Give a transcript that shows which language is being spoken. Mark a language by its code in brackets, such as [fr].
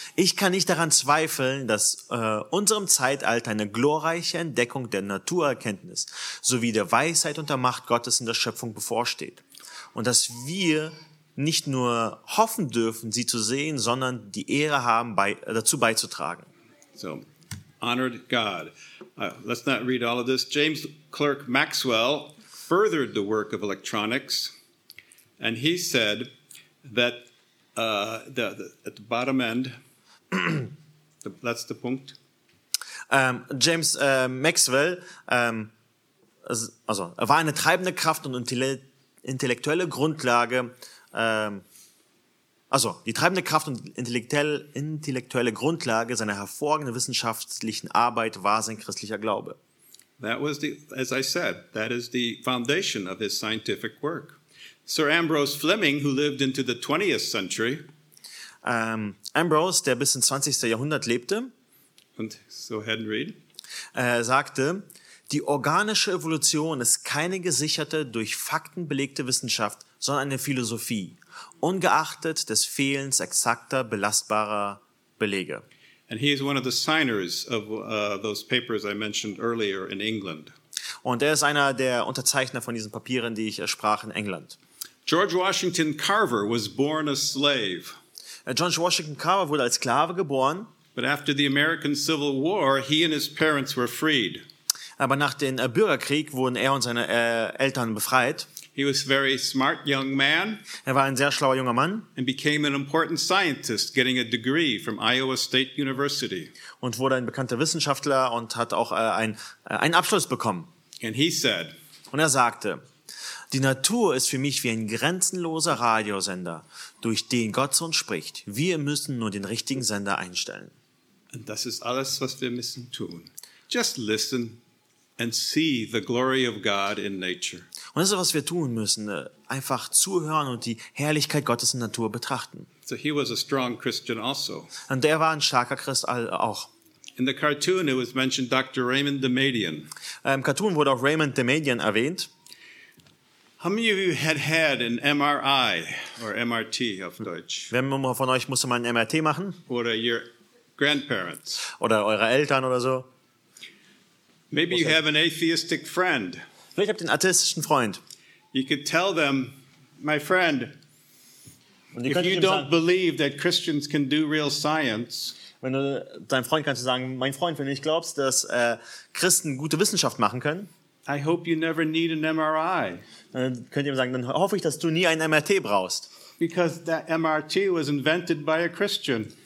[de] ich kann nicht daran zweifeln, dass unserem Zeitalter eine glorreiche Entdeckung der Naturerkenntnis sowie der Weisheit und der Macht Gottes in der Schöpfung bevorsteht. Und dass wir nicht nur hoffen dürfen, sie zu sehen, sondern die Ehre haben, dazu beizutragen. [en] So, honored God. Let's not read all of this. James Clerk Maxwell furthered the work of electronics, and he said that at the bottom end, that's the point. [de] James Maxwell, also er war eine treibende Kraft und intellektuelle Grundlage. Also die treibende Kraft und intellektuelle Grundlage seiner hervorragenden wissenschaftlichen Arbeit war sein christlicher Glaube. [en] That was the, as I said, that is the foundation of his scientific work. Sir Ambrose Fleming, who lived into the 20th century. [de] Ambrose, der bis ins 20. Jahrhundert lebte. Und [en] so ahead and read. [de] Sagte, die organische Evolution ist keine gesicherte, durch Fakten belegte Wissenschaft, sondern eine Philosophie, ungeachtet des Fehlens exakter, belastbarer Belege. [en] And he is one of the signers of those papers I mentioned earlier in England. [de] Und er ist einer der Unterzeichner von diesen Papieren, die ich sprach, in England. [en] George Washington Carver was born a slave. [de] George Washington Carver wurde als Sklave geboren. [en] But after the American Civil War, he and his parents were freed. [de] Aber nach dem Bürgerkrieg wurden er und seine Eltern befreit. [en] He was a very smart young man. [de] Er war ein sehr schlauer junger Mann. [en] And became an important scientist, getting a degree from Iowa State University. [de] Und wurde ein bekannter Wissenschaftler und hat auch einen Abschluss bekommen. [en] And he said, [de] und er sagte, die Natur ist für mich wie ein grenzenloser Radiosender, durch den Gott zu uns spricht. Wir müssen nur den richtigen Sender einstellen. Und das ist alles, was wir müssen tun. [en] Just listen and see the glory of God in nature. [de] Und das ist, was wir tun müssen. Einfach zuhören und die Herrlichkeit Gottes in Natur betrachten. [en] So he was a strong Christian also. [de] Und er war ein starker Christ auch. [en] In the cartoon it was mentioned Dr. Raymond Damadian. [de] Im Cartoon wurde auch Raymond Damadian erwähnt. [en] How many of you had an MRI or MRT [de] auf Deutsch? Wer von euch musste mal ein MRT machen? Oder [en] your grandparents? [de] Oder eure Eltern oder so? [en] Maybe you have an atheistic friend. [de] Vielleicht habt ihr einen atheistischen Freund. [en] You could tell them, my friend, if you don't believe that Christians can do real science. [de] Wenn du deinem Freund kannst du sagen, mein Freund, wenn du nicht glaubst, dass Christen gute Wissenschaft machen können. [en] I hope you never need an MRI. [de] Dann könnt ihr ihm sagen, dann hoffe ich, dass du nie ein MRT brauchst. [en] Because that MRT was invented by a Christian.